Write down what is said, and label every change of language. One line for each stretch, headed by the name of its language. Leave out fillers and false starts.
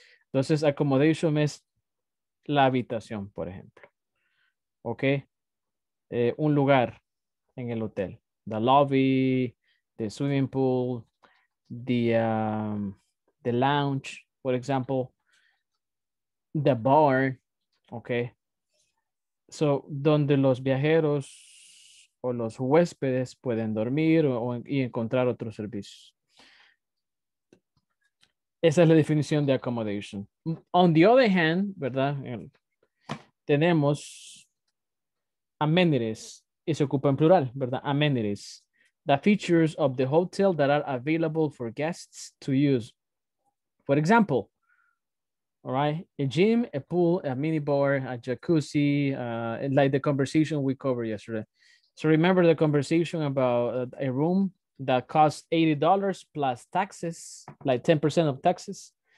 Spanish: Entonces, accommodation es la habitación, por ejemplo. Okay. Un lugar en el hotel.
English: The lobby, the swimming pool, the lounge, for example, the bar. Okay.
Spanish: So, donde los viajeros o los huéspedes pueden dormir y encontrar otros servicios. Esa es la definición de accommodation.
English: On the other hand,
Spanish: ¿verdad? Tenemos amenities, y se ocupa en plural, ¿verdad?
English: Amenities. The features of the hotel that are available for guests to use. For example, all right, a gym, a pool, a mini bar, a jacuzzi, like the conversation we covered yesterday. So remember the conversation about a room that costs $80 plus taxes, like 10% of taxes.